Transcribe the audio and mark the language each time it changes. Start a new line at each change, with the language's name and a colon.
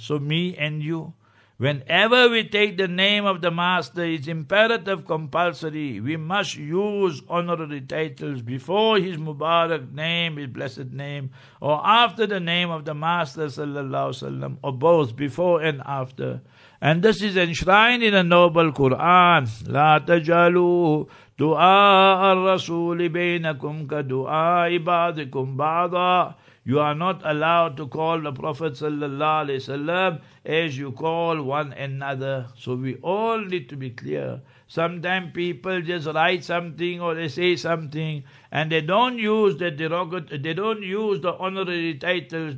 English: So me and you, whenever we take the name of the Master, it's imperative, compulsory, we must use honorary titles before His Mubarak name, His blessed name, or after the name of the Master sallallahu alaihi wasallam, or both, before and after. And this is enshrined in a noble Quran.
Arabic: لا تجعلوا دعاء الرسول بينكم كدعاء بعضكم بعضا.
English: You are not allowed to call the Prophet sallallahu alaihi wasallam as you call one another. So we all need to be clear. Sometimes people just write something or they say something and they don't use the derogatory, they don't use the honorary titles.